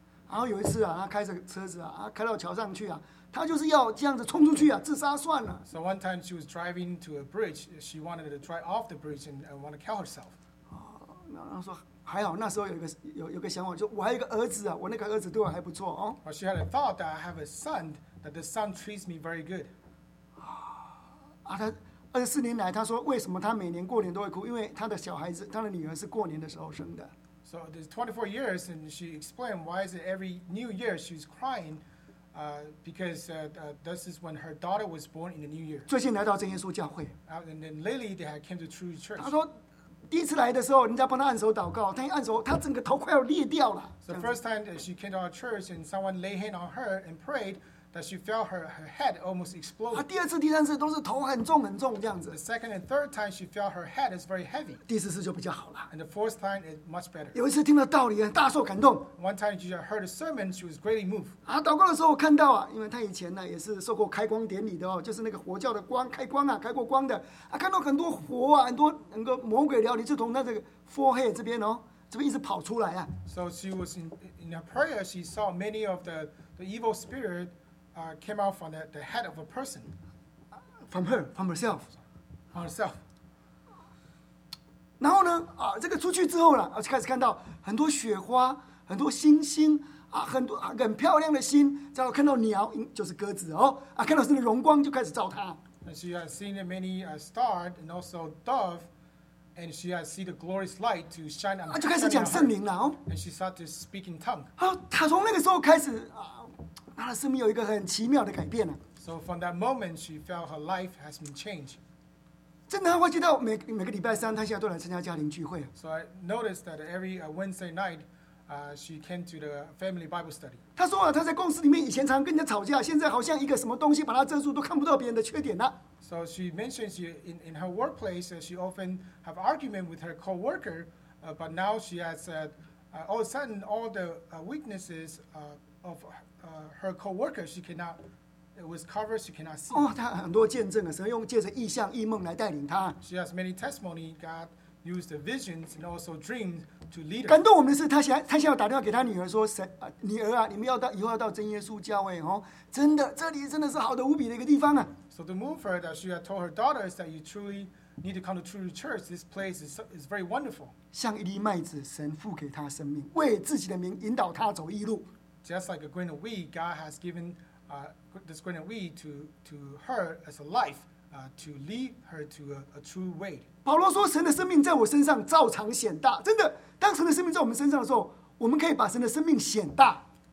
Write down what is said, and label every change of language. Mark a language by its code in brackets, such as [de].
[zh] 然后有一次，她开着车子，开到桥上去，她就是要这样子冲出去，自杀算了。 [en] So one time she was driving to a bridge, she wanted to drive off the bridge and want to kill herself. [zh] 然后说还好，那时候有个想法，就我还有一个儿子啊，我那个儿子对我还不错哦。 [en] Oh, she had a thought that I have a son, that the son treats me very good. [zh] 啊，他二十四年来，他说为什么他每年过年都会哭？因为他的小孩子，他的女儿是过年的时候生的。 [en] So there's 24 years, and she explained why is it every New Year she's crying, because this is when her daughter was born in the New Year. [zh] 最近来到真耶稣教会。 [en] And then lately they had came to True Church. [zh] 他说。第一次来的时候，人家帮他按手祷告，他一按手，他整个头快要裂掉了。 [en] The first time that she came to our church and someone laid hand on her and prayed, that she felt her head almost explode. [zh] 第二次、第三次都是头很重很重这样子。 [en] The second and third time she felt her head is very heavy. [zh] 第四次就比较好了。 [en] And the fourth time is much better. [zh] 有一次听了道理，大受感动。 [en] One time she heard a sermon, she was greatly moved. [zh] 啊，祷告的时候我看到啊，因为他以前呢也是受过开光典礼的哦，就是那个活教的光开光啊，开过光的啊，看到很多活啊，很多那个魔鬼料理就从那个 forehead 这边哦，这边一直跑出来啊。 [en] So she was in her prayer, she saw many of the evil spirit. Came out from the head of a person. From herself. From herself. [zh] 然后呢，啊，这个出去之后呢，啊，就开始看到很多雪花，很多星星，啊，很多很漂亮的星，然后看到鸟，就是鸽子哦，啊，看到是荣光，就开始照它。 [en] And she has seen many stars and also dove, and she has seen the glorious light to shine on. [zh] 啊，就开始讲圣灵了哦。 [en] And she started to speak in tongue. [zh] 啊，她从那个时候开始啊。她的生命有一个很奇妙的改变了。 [en] So from that moment, she felt her life has been changed. [zh] 真的，我记得每个礼拜三，她现在都来参加家庭聚会。 [en] So I noticed that every Wednesday night, she came to the family Bible study. [zh] 她说啊，她在公司里面以前常跟人家吵架，现在好像一个什么东西把她遮住，都看不到别人的缺点了。 [en] So she mentioned she in her workplace, she often have argument with her coworker, but now she has said, all of a sudden, all the weaknesses of her co-worker, she cannot, it was covered, she cannot see. [zh] Oh, 她很多见证了，神用借着异象、异梦来带领她。 [en] She has many testimony. God used the visions and also dreams to lead her. [zh] 感动我们的是，她现在打电话给她女儿说：“神，女儿啊，你们要到以后要到真耶稣教会哦，真的，这里真的是好的无比的一个地方啊。” [en] So to move her, that she had told her daughters that you truly need to come to True Church. This place is very wonderful. [zh] 像一粒麦子，神赋给她生命，为自己的名引导她走义路。 [en] Just like a grain of wheat, God has given this grain of wheat to her as a life to lead her to a true way. [zh] 保罗说：“神的生命在我身上照常显大。” 真的，当神的生命在我们身上的时候，我们可以把神的生命显大。